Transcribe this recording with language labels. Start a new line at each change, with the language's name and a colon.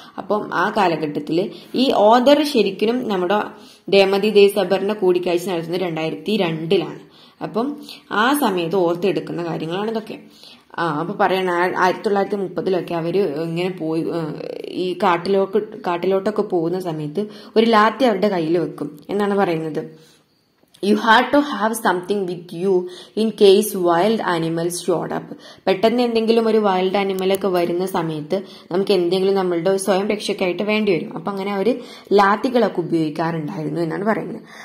Malayalam: അപ്പം ആ കാലഘട്ടത്തിൽ ഈ ഓദർ ശരിക്കും നമ്മുടെ ദേമതി ദേയ് സബറിന്റെ കൂടിക്കാഴ്ച നടത്തുന്നത് 2002. അപ്പം ആ സമയത്ത് ഓർത്തെടുക്കുന്ന കാര്യങ്ങളാണ് ഇതൊക്കെ. അപ്പൊ പറയണ 1930 അവര് ഇങ്ങനെ പോയി ഈ കാട്ടിലോട്ടൊക്കെ പോകുന്ന സമയത്ത് ഒരു ലാത്തി അവരുടെ കയ്യിൽ വെക്കും എന്നാണ് പറയുന്നത്.
English: You had to have something with you in case wild animals showed up.
Malayalam: പെട്ടെന്ന് എന്തെങ്കിലും ഒരു വൈൽഡ് അനിമൽ ഒക്കെ വരുന്ന സമയത്ത് നമുക്ക് എന്തെങ്കിലും നമ്മളുടെ സ്വയം രക്ഷയ്ക്കായിട്ട് വേണ്ടി വരും. അപ്പൊ അങ്ങനെ അവർ ലാത്തികളൊക്കെ ഉപയോഗിക്കാറുണ്ടായിരുന്നു എന്നാണ് പറയുന്നത്.